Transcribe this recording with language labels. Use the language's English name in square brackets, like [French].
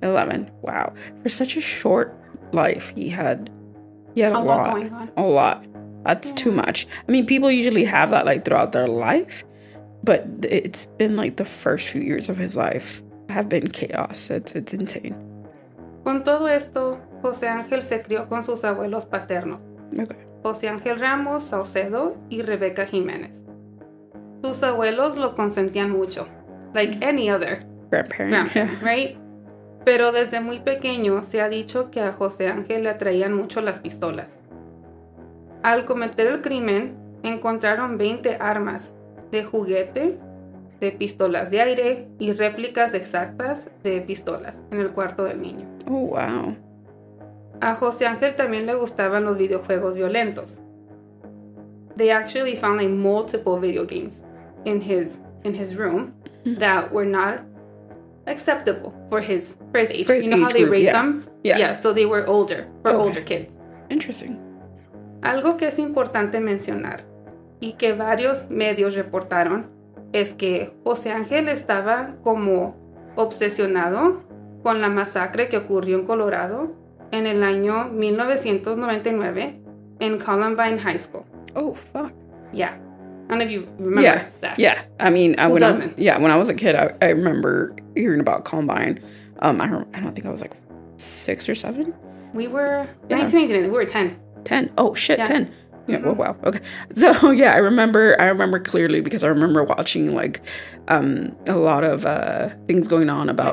[English] 11. Wow. For such a short life, he had a lot going on. A lot. That's too much. I mean, people usually have that, like, throughout their life. But it's been, like, the first few years of his life have been chaos. It's insane. [Spanish] Con todo esto, José Ángel se crió con sus abuelos paternos. [English] Okay. [Spanish] José Ángel Ramos Saucedo y Rebeca Jiménez. Sus abuelos lo consentían mucho, [English] like any other grandparent, right? [Spanish] Pero desde muy pequeño se ha dicho que a José Ángel le atraían mucho las pistolas. Al cometer el crimen, encontraron 20 armas de juguete, de pistolas de aire y réplicas exactas de pistolas en el cuarto del niño. [English] Oh, wow. [Spanish] A José Ángel también le gustaban los videojuegos violentos. [English] They actually found, like, multiple video games in his room that were not acceptable for his age. For you know age how they rate yeah. them? Yeah. Yeah, so they were older, for older kids. Interesting. [Spanish] Algo que es importante mencionar y que varios medios reportaron es que José Ángel estaba como obsesionado con la masacre que ocurrió en Colorado en el año 1999 en Columbine High School. [English] Oh, fuck. Yeah. I don't know if you remember that. Yeah. I mean, who doesn't? When I was a kid, I remember hearing about Columbine. I don't think I was like 6 or 7. We were 1989. We were 10. 10. Oh, shit. Yeah. 10. Yeah. Mm-hmm. Wow. Okay. So, yeah, I remember clearly because I remember watching like a lot of things going on about